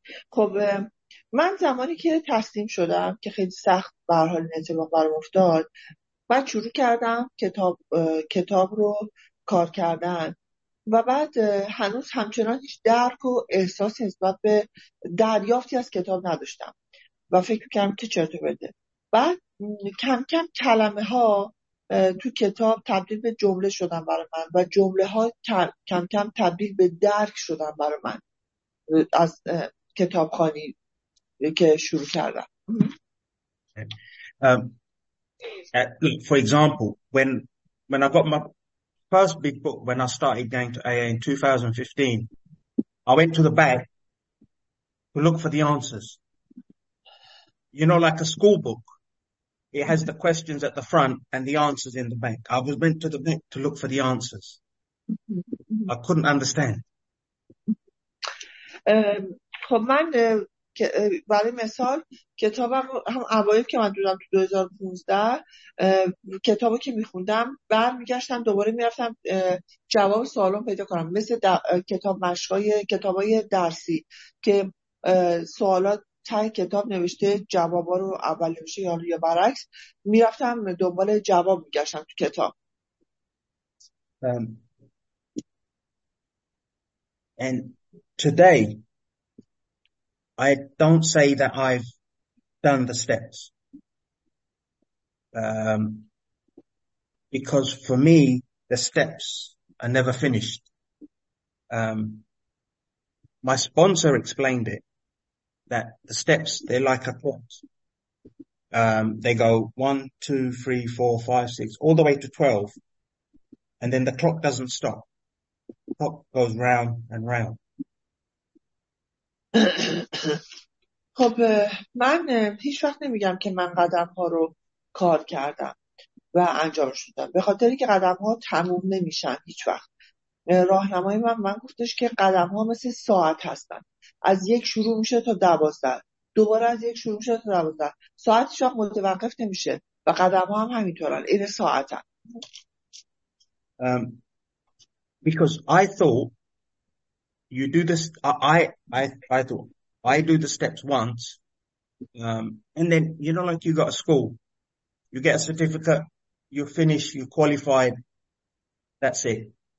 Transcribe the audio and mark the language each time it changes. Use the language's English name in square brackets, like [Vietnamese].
[Persian] خب من زمانی که تسلیم شدم که خیلی سخت به هر حال اتفاق برام افتاد، بعد شروع کردم کتاب رو کار کردن و بعد هنوز همچنان هیچ درک و احساس نسبت به دریافتی از کتاب نداشتم و فکر کردم که چرت و پرته. بعد کم کم کلمه ها تو کتاب تبدیل به جمله شدن برای من و جمله ها کم کم تبدیل به درک شدن برای من از کتابخانی که شروع کردم. [English] For example, when I got my first big book, when I started going to AA in 2015, I went to the back to look for the answers. You know, like a school book, it has the questions at the front and the answers in the back. I was went to the back to look for the answers. I couldn't understand. [Persian] خب من برای مثال کتابم هم اوایل که من دیدم تو 2015 کتابو که میخوندم برمیگشتم دوباره میرفتم جواب سوالام پیدا کنم، مثل کتاب مشقای کتابای درسی که سوالات ته کتاب نوشته جوابا رو اول نوشته یا روی برعکس، میرفتم دنبال جواب میگشتم تو کتاب. [English] And today I don't say that I've done the steps, because for me, the steps are never finished. My sponsor explained it, that the steps, they're like a clock. They go 1, 2, 3, 4, 5, 6, all the way to 12. And then the clock doesn't stop. The clock goes round and round. [Persian] خب من هیچ وقت نمیگم که من قدم ها رو کار کردم و انجام شدم، به خاطری که قدم ها تموم نمیشن هیچ وقت. راهنمای من گفتش که قدم ها مثل ساعت هستن، از یک شروع میشه تا 12، دوباره از یک شروع میشه تا 12، ساعت شاخ متوقف نمیشه و قدم ها هم همینطورن، این ساعت هم. [English] Because I thought you do this, I thought, I do the steps once, and then, you know, like you got a school, you get a certificate, you finish, you qualified, that's it.